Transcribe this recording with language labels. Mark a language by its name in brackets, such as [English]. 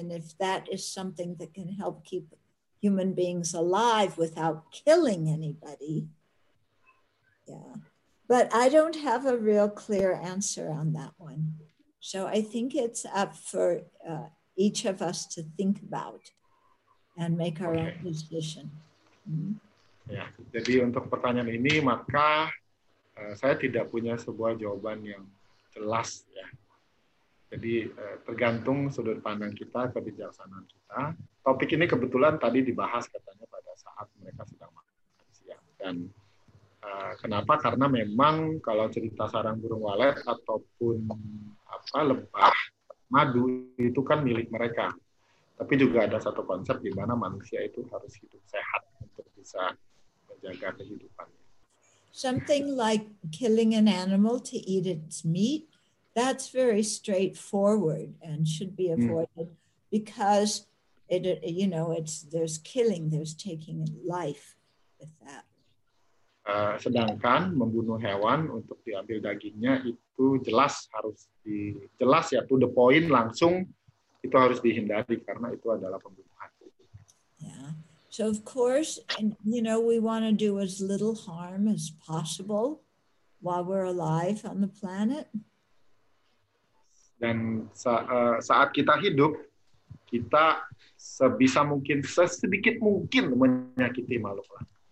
[English] And if that is something that can help keep human beings alive without killing anybody, yeah. But I don't have a real clear answer on that one. So I think it's up for each of us to think about and make our own decision. [Indonesian] Ya, jadi untuk pertanyaan ini maka saya tidak punya sebuah jawaban yang jelas ya. Jadi tergantung sudut pandang kita, kebijaksanaan kita. Topik ini kebetulan tadi dibahas katanya pada saat mereka sedang makan siang. Dan kenapa? Karena memang kalau cerita sarang burung walet ataupun apa lebah madu itu kan milik mereka. Tapi juga ada satu konsep di mana manusia itu harus hidup sehat untuk bisa menjaga kehidupannya. [English] Something like killing an animal to eat its meat, that's very straightforward and should be avoided because it, you know, it's there's killing, there's taking life with that. [Indonesian] Sedangkan membunuh hewan untuk diambil dagingnya itu jelas harus dijelas ya, [English] to the point [Indonesian] langsung itu harus dihindari karena itu adalah pembunuhan. [English] Yeah. So of course, and, you know, we want to do as little harm as possible while we're alive on the planet. [Indonesian] Dan saat kita hidup, kita sebisa mungkin, sesedikit mungkin menyakiti makhluk lain.